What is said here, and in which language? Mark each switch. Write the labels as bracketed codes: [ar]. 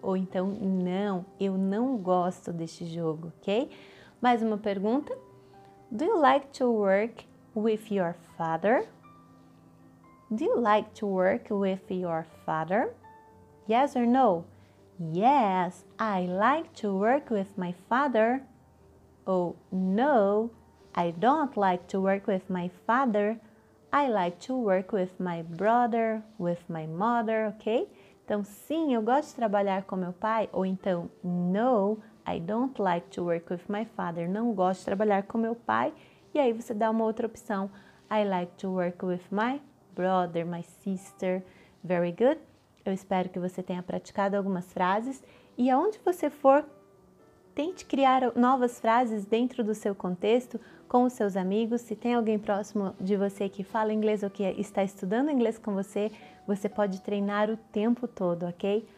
[pt] Ou então, não, eu não gosto deste jogo, ok? Mais uma pergunta. [en] Do you like to work with your father? Do you like to work with your father? Yes or no? Yes, I like to work with my father. Oh, no, I don't like to work with my father. I like to work with my brother, with my mother, ok? [pt] Então, sim, eu gosto de trabalhar com meu pai. Ou então, [en] no, I don't like to work with my father. [pt] Não gosto de trabalhar com meu pai. E aí você dá uma outra opção. [en] I like to work with my brother, my sister. Very good. [pt] Eu espero que você tenha praticado algumas frases. E aonde você for, tente criar novas frases dentro do seu contexto, com os seus amigos. Se tem alguém próximo de você que fala inglês ou que está estudando inglês com você, você pode treinar o tempo todo, ok?